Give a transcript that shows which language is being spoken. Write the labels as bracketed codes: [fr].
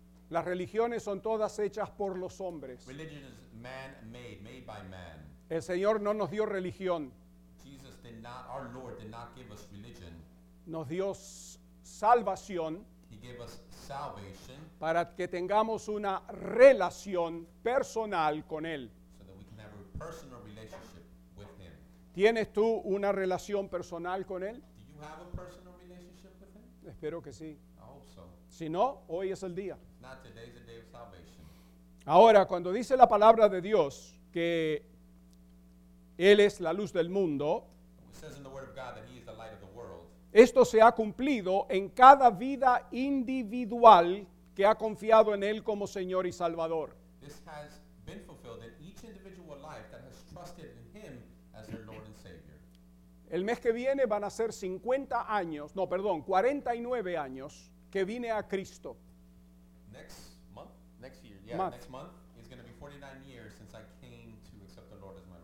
[es] Las religiones son todas hechas por los hombres. [en] Religion is man-made, made by man. [es] El Señor no nos dio religión. [en] Jesus did not, our Lord did not give us religion. [es] Nos dio salvación. [en] He gave us salvation. [es] Para que tengamos una relación personal con Él. [en] So that we can have a personal relationship with Him. [es] ¿Tienes tú una relación personal con Él? [en] Do you have a personal relationship with Him? [es] Espero que sí. [en] I hope so. [es] Si no, hoy es el día. [en] If not, today is the day of salvation. [es] Ahora, cuando dice la palabra de Dios que Él es la luz del mundo, [en] it says in the word of God that He is the light of the world. [es] Esto se ha cumplido en cada vida individual que ha confiado en Él como Señor y Salvador. [en] This has been fulfilled in each individual life that has trusted in Him as their Lord and Savior. [es] El mes que viene van a ser 50 años, no, perdón, 49 años que vine a Cristo. [en] Next month? Next year, yeah, month. Next month is going to be 49 years since I came to accept the Lord